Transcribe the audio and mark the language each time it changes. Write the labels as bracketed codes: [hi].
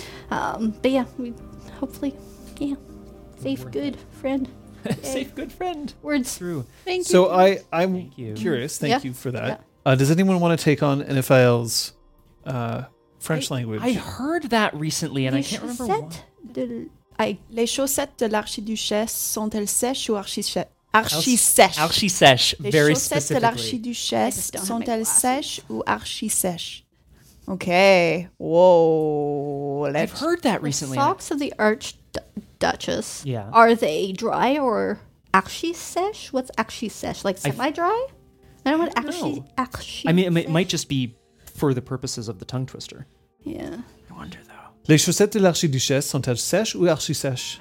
[en] But yeah, we hopefully, yeah, safe, good friend. Safe, good friend. Words. True. Thank you. So I'm thank you. Curious. Thank yeah. you for that. Yeah. Does anyone want to take on NFL's French language? I heard that recently, and I can't remember what. [fr] Les chaussettes de l'archiduchesse sont-elles sèches ou archi-sèches? Archi-sèches, [en] very [fr] Les chaussettes de l'archiduchesse sont-elles sèches ou archi-sèches? [en] Okay. Whoa. I've heard that recently. The socks of the Archduchess. Yeah. Are they dry or archi sesh? What's archi sesh? Like semi-dry? I don't know. I mean, it might just be for the purposes of the tongue twister. Yeah. I wonder, though. [fr] Les chaussettes de l'Archiduchesse sont-elles sèches ou archi sesh?